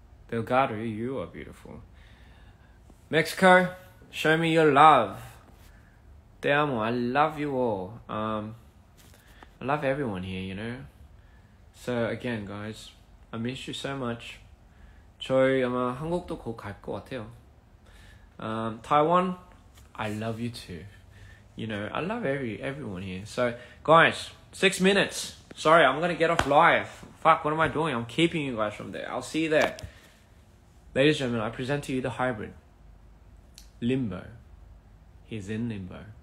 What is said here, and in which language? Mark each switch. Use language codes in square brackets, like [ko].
[en] Delgado, you are beautiful. Mexico, show me your love. [es] Te amo, [en] I love you all. I love everyone here, you know. So again, guys, I miss you so much. [ko] 저희 아마 한국도 곧 갈 것 같아요. [en] Taiwan, I love you too. You know, I love everyone here. So, guys, 6 minutes. Sorry, I'm gonna get off live. Fuck, what am I doing? I'm keeping you guys from there. I'll see you there. Ladies and gentlemen, I present to you the hybrid. Limbo. He's in limbo.